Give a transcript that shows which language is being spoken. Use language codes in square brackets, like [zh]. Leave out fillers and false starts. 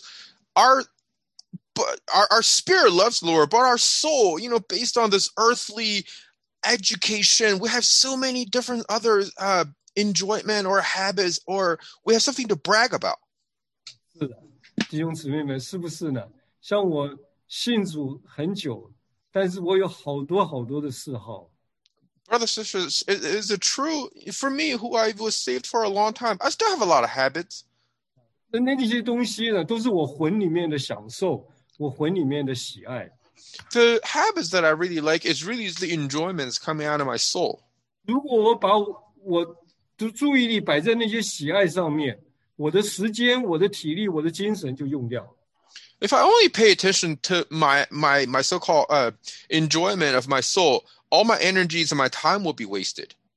[en] and sisters, our spirit loves the Lord, but our soul, you know, based on this earthly education, we have so many different other enjoyment or habits, or we have something to brag about. [zh] 是的,弟兄姊妹们,是不是呢?像我信主很久,但是我有好多好多的嗜好。 [en] Brothers and sisters, is it true? For me, who I was saved for a long time, I still have a lot of habits. [zh] 那些东西呢,都是我魂里面的享受,我魂里面的喜爱。 [en] The habits that I really like is really the enjoyments coming out of my soul. [zh] 如果我把我 注意力摆在那些喜爱上面,我的时间,我的体力,我的精神就用掉了。 [en] If I only pay attention to my so-called enjoyment of my soul, all my energies and my time will be wasted.